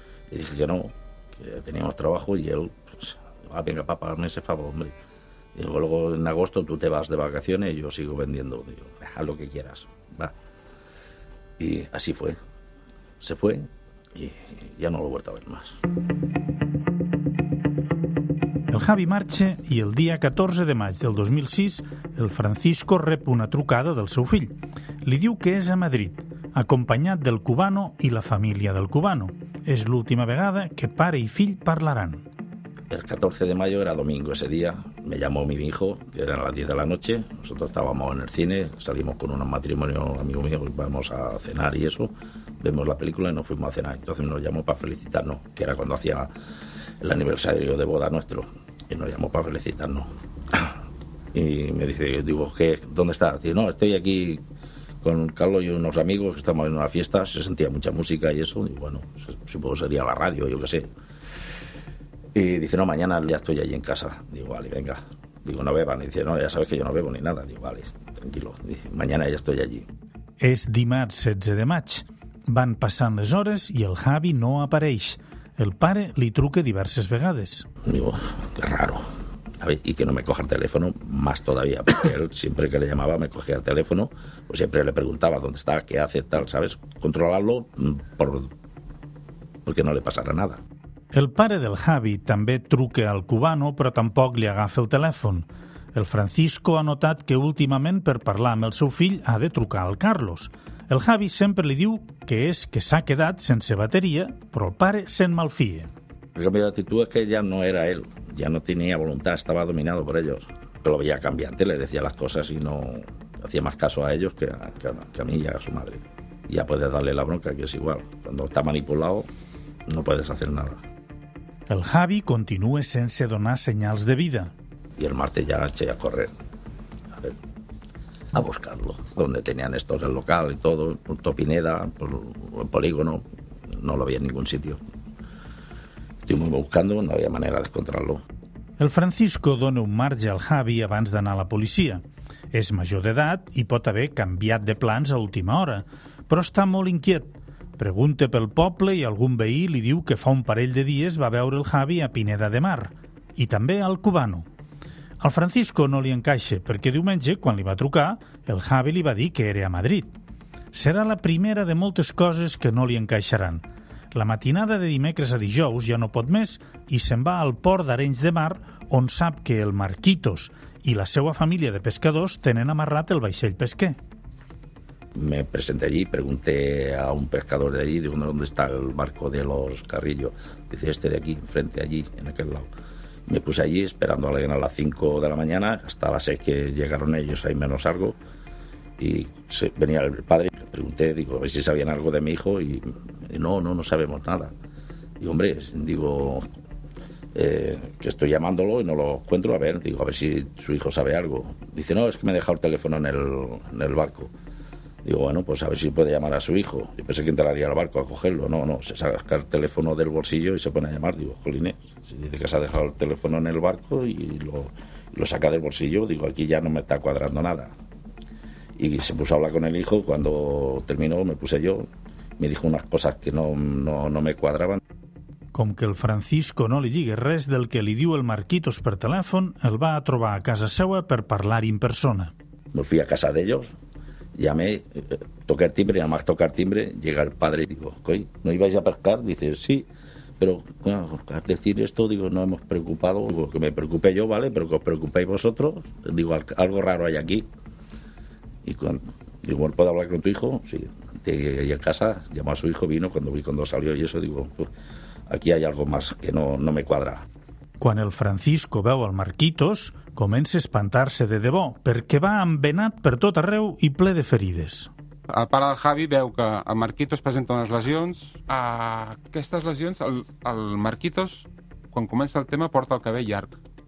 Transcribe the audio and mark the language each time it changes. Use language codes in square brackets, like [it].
[es] Le dije que no, que teníamos trabajo y él... Ah, venga, papá, hazme ese favor, hombre. Y luego en agosto tú te vas de vacaciones y yo sigo vendiendo. Digo, haz lo que quieras, va. Y así fue. Se fue y ya no lo he vuelto a ver más. [ca] El Javi marxa i el dia 14 de maig del 2006 el Francisco rep una trucada del seu fill. Li diu que és a Madrid, acompanyat del cubano i la família del cubano. És l'última vegada que pare i fill parlaran. [es] El 14 de mayo era domingo ese día, me llamó mi hijo, que era a las 10 de la noche, nosotros estábamos en el cine, salimos con un matrimonio, un amigo mío, íbamos a cenar y eso, vemos la película y nos fuimos a cenar. Entonces nos llamó para felicitarnos, que era cuando hacía el aniversario de boda nuestro, y nos llamó para felicitarnos. Y me dice, digo, ¿qué? ¿Dónde estás? Dice, no, estoy aquí con Carlos y unos amigos, que estamos en una fiesta, se sentía mucha música y eso, y bueno, supongo sería la radio, yo qué sé. Y dice, no, mañana ya estoy allí en casa. Digo, vale, venga. Digo, no beban. Y dice, no, ya sabes que yo no bebo ni nada. Digo, vale, tranquilo. Dice, mañana ya estoy allí. [ca] És dimarts 16 de maig. Van passant les hores i el Javi no apareix. El pare li truca diverses vegades. [es] Digo, qué raro. Y que no me coja el teléfono, más todavía, porque él siempre que le llamaba me cogía el teléfono, pues siempre le preguntaba dónde está, qué hace, tal, ¿sabes? Controlarlo porque no le pasara nada. [ca] El pare del Javi també truca al cubano, però tampoc li agafa el telèfon. El Francisco ha notat que últimament per parlar amb el seu fill ha de trucar al Carlos. El Javi sempre li diu que és que s'ha quedat sense bateria, però el pare se'n malfia. [es] El cambio de actitud es que ya no era él, ya no tenía voluntad, estaba dominado por ellos. Pero lo veía cambiante, le decía las cosas y no hacía más caso a ellos que a mí y a su madre. Ya puedes darle la bronca, que es igual. Cuando está manipulado, no puedes hacer nada. [ca] El Javi [es] continúa [ca] sense donar [es] señales de vida. Y el martes ya eché a correr, a ver, a buscarlo. Donde tenían estos el local y todo, Punto Pineda, el polígono, no lo había en ningún sitio. Estuvimos buscando, no había manera de encontrarlo. [ca] El Francisco dona un marge al Javi abans d'anar a la policia. És major d'edat i pot haver canviat de plans a última hora, però està molt inquiet. Pregunta pel poble i algun veí li diu que fa un parell de dies va veure el Javi a Pineda de Mar, i també al Cubano. Al Francisco no li encaixa, perquè diumenge, quan li va trucar, el Javi li va dir que era a Madrid. Serà la primera de moltes coses que no li encaixaran. La matinada de dimecres a dijous ja no pot més i se'n va al port d'Arenys de Mar, on sap que el Marquitos i la seva família de pescadors tenen amarrat el vaixell pesquer. [es] Me presenté allí, pregunté a un pescador de allí, digo, ¿dónde está el barco de los Carrillo? Dice, este de aquí, frente allí, en aquel lado. Me puse allí esperando a alguien a las 5 de la mañana, hasta las 6 que llegaron ellos, ahí menos algo. Y venía el padre, le pregunté, digo, a ver si sabían algo de mi hijo, y no sabemos nada. Y hombre, digo, que estoy llamándolo y no lo encuentro, a ver, digo, a ver si su hijo sabe algo. Dice, no, es que me he dejado el teléfono en el barco. Digo, bueno, pues a ver si puede llamar a su hijo. Yo pensé que entraría al barco a cogerlo. No, se saca el teléfono del bolsillo y se pone a llamar. Digo, jolines, si dice que se ha dejado el teléfono en el barco y lo saca del bolsillo, digo, aquí ya no me está cuadrando nada. Y se puso a hablar con el hijo, cuando terminó me puse yo, me dijo unas cosas que no me cuadraban. [ca] Com que el Francisco no li lliga res del que li diu el Marquitos per telèfon, el va a trobar a casa seva per parlar en persona. [es] Me fui a casa d'ells, llamé, toqué el timbre, además tocar timbre, llega el padre y digo, coi, ¿no ibais a pescar? Dice, sí, pero bueno, al decir esto, digo, no hemos preocupado, digo, que me preocupe yo, vale, pero que os preocupéis vosotros, digo, algo raro hay aquí. Y igual puedo hablar con tu hijo, sí, y en casa, llamó a su hijo, vino, cuando salió y eso, digo, pues, aquí hay algo más que no me cuadra. [ca] Quan el Francisco veu el Marquitos, comença a espantar-se de debò, perquè va envenat per tot arreu i ple de ferides. El pare del Javi veu que el Marquitos presenta unes lesions. Aquestes lesions, el Marquitos, quan comença el tema, porta el cabell llarg.